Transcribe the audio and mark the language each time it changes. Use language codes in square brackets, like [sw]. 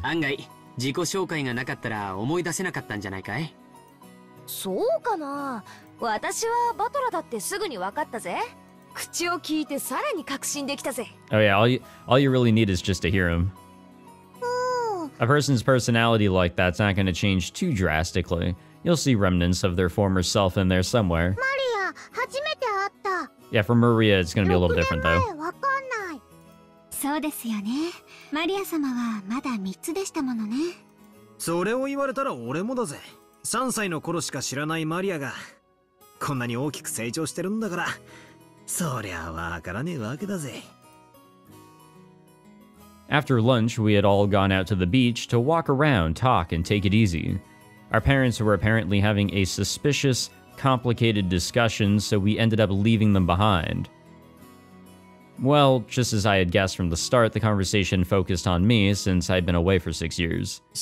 [ja] 案外自己紹介がなかったら思い出せなかったんじゃないかい?そうかな?私はバトラだってすぐに分かったぜ。口を聞いてさらに確信できたぜ。 [en] Oh yeah, all you need is just to hear him. A person's personality like that's not going to change too drastically. You'll see remnants of their former self in there somewhere. [ja] Maria, 初めて会った. [en] Yeah, for Maria, it's going to be a little different, though. [ja] 6年前、分かんない. そうですよね. マリア様はまだ3つでしたものね. それを言われたら俺もだぜ.3歳の頃しか知らないマリアがこんなに大きく成長してるんだから. そりゃ分からねえわけだぜ. [en] After lunch, we had all gone out to the beach to walk around, talk, and take it easy. Our parents were apparently having a suspicious complicated discussions, so we ended up leaving them behind. Well, just as I had guessed from the start, the conversation focused on me since I'd been away for 6 years.